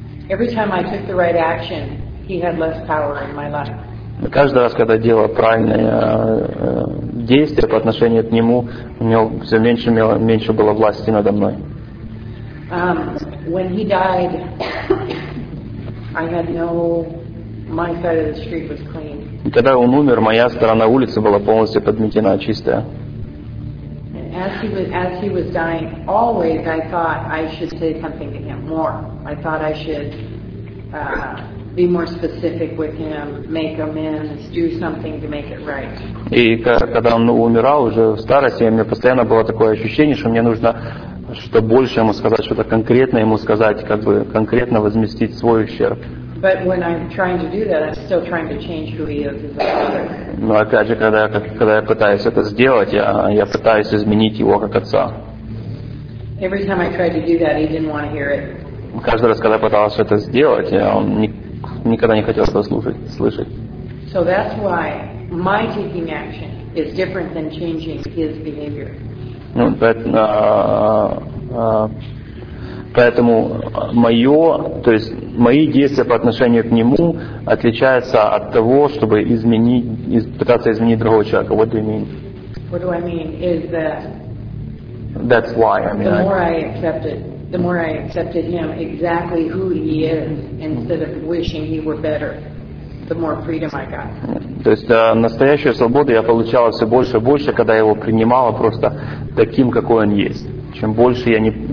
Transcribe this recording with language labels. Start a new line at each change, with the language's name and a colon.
English: Every time I took the right action, he had less power in my life.
Russian: Каждый раз, когда делал правильные действия по отношению к нему, у него все меньше было власти надо мной.
English: When he died, I had no. My side of the street was clean.
Russian: Когда он умер, моя сторона улицы была полностью подметена, чистая.
English: And as as he was dying, always I thought I should say something to him more. I thought I should be more specific with him, make amends, do something to make it right.
Russian: И когда он умирал уже в старости, у меня постоянно было такое ощущение, что мне нужно что больше ему сказать, что-то конкретное ему сказать, как бы конкретно возместить свой ущерб.
English: But when I'm trying to do that, I'm still trying to change who he is as a father.
Russian: Но опять же, когда я пытаюсь это сделать, я пытаюсь изменить его как отца.
English: Every time I tried to do that, he didn't want to hear it.
Russian: Каждый раз, когда я пытался это сделать, он никогда не хотел этого слышать.
English: So that's why my taking action is different than changing his behavior.
Russian: Ну, поэтому мое, то есть мои действия по отношению к нему отличаются от того, чтобы пытаться изменить другого человека.
English: What do you mean? What do I mean is that? That's why I mean. The more I accepted him exactly who he is, instead of wishing he were better, the more freedom I got.
Russian: То есть настоящую свободу я получала все больше и больше, когда я его принимала просто таким, какой он есть. Чем больше я не...